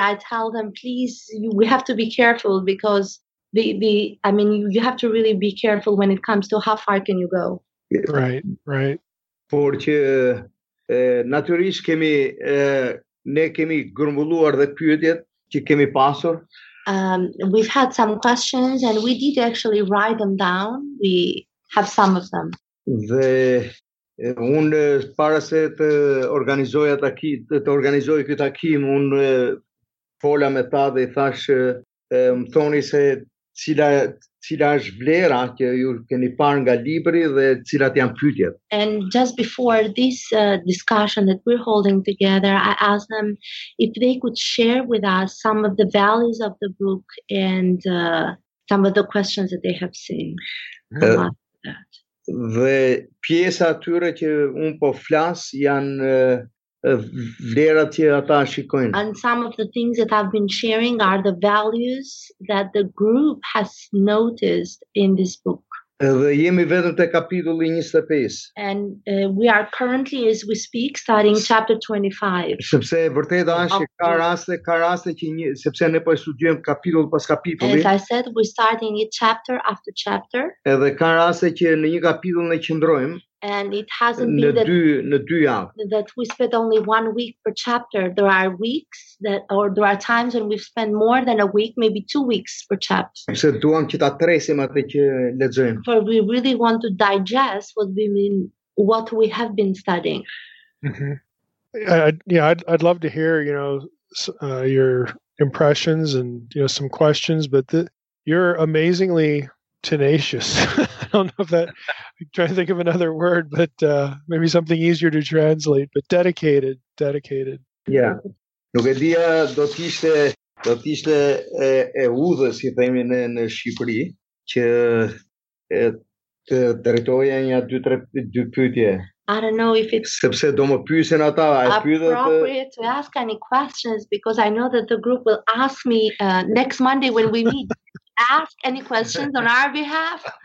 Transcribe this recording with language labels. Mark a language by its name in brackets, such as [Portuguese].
[English] I tell them, please, we have to be careful because you have to really be careful when it comes to how far can you go. Right, right. [Albanian] Porque natyrisht kemi ne kemi grumbulluar dhe pyetjet që kemi pasur. [English] We've had some questions and we did actually write them down. We have some of them. [Albanian] Dhe un para se të organizoja këtë takim, un fola me ta dhe thash më thoni se cila është vlera që ju keni parë nga libri dhe cilat janë pyetjet. [English] And just before this discussion that we're holding together, I asked them if they could share with us some of the values of the book and some of the questions that they have seen. [Albanian] Dhe pjesa atyre që un po flas janë vlerat që ata shikojnë. [English] And some of the things that I've been sharing are the values that the group has noticed in this book. [Albanian] Dhe jemi vetëm te kapitulli 25. [English] And we are currently, as we speak, starting chapter 25. [Albanian] Sepse vërtet është që ka raste që sepse ne po studiojmë kapitull pas kapitulli. [English] As I said, we're starting it chapter after chapter. [Albanian] Edhe ka raste që në një kapitull ne qëndrojmë. [English] And it hasn't been that we spent only 1 week per chapter. There are weeks that, or there are times when we've spent more than a week, maybe 2 weeks per chapter. For we really want to digest what we have been studying. Mm-hmm. I'd love to hear, you know, your impressions and, you know, some questions, but you're amazingly tenacious. I don't know if that, I'm trying to think of another word, but maybe something easier to translate, but dedicated. Yeah. [Albanian] Nuk e dia do t'ishte e udhë, si themi në Shqipëri, që të drejtoja një dy pyetje. [English] I don't know if it's [Albanian] sepse do më pyesin ata, [English] appropriate to ask any questions, because I know that the group will ask me next Monday when we meet. Ask any questions on our behalf.